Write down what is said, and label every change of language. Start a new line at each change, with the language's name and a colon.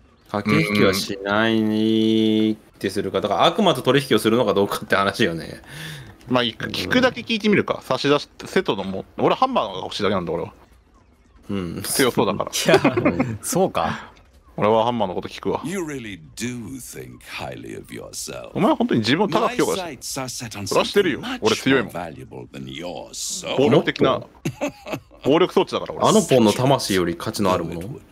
Japanese: 駆け引きはしないにってするか、だから悪魔と取引をするのかどうかって話よね。まあ聞くだけ聞いてみるか。差し出してセットのも、俺ハンマーが欲しいだけなんだ俺は。うん、強そうだから。いや、そうか。俺はハンマーのこと聞くわ。
English: You really、do think highly of yourself.
Japanese: お前は本当に自分を高く評価して。俺はしてるよ。俺強いもん。暴力的な暴力装置だから俺。あのポンの魂より価値のあるもの。